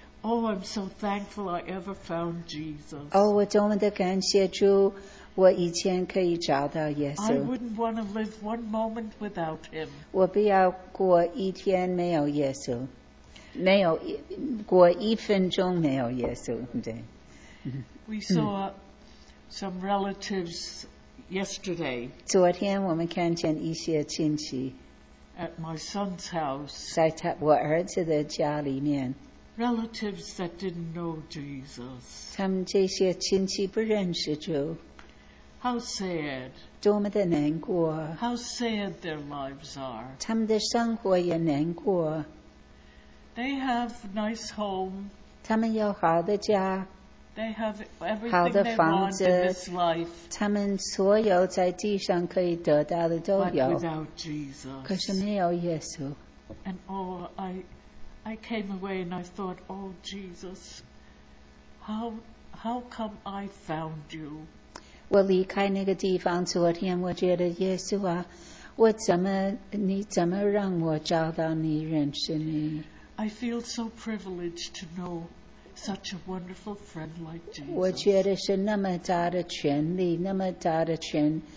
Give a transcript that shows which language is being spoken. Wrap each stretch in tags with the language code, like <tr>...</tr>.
<en>Oh, I'm so thankful I ever found Jesus.</en> <zh>Oh, 我多么的感谢主，我以前可以找到耶稣。</zh> <en>I wouldn't want to live one moment without him.</en> <zh>我不要过一天没有耶稣，没有过一分钟没有耶稣，对。</zh> <en>We saw some relatives yesterday.</en> <zh>昨天我们看见一些亲戚。</zh> <en>At my son's house.</en> <zh>在他我儿子的家里面。</zh> <en>Relatives that didn't know Jesus.</en> <zh>他们这些亲戚不认识主。</zh> <en>How sad.</en> <zh>多么的难过。</zh> <en>How sad their lives are.</en> <zh>他们的生活也难过。</zh> <en>They have nice home.</en> <zh>他们有好的家。</zh> <en>They have everything they want in this life.</en> <zh>他们所有在地上可以得到的都有。</zh> <en>But without Jesus.</en> <zh>可是没有耶稣。</zh> <en>And oh, I came away and I thought, oh Jesus, how come I found you?</en> <zh>我离开那个地方昨天我觉得耶稣啊我怎么你怎么让我找到你认识你</zh> <en>I feel so privileged to know such a wonderful friend like Jesus</en> <zh>我觉得是那么大的权利那么大的权</zh>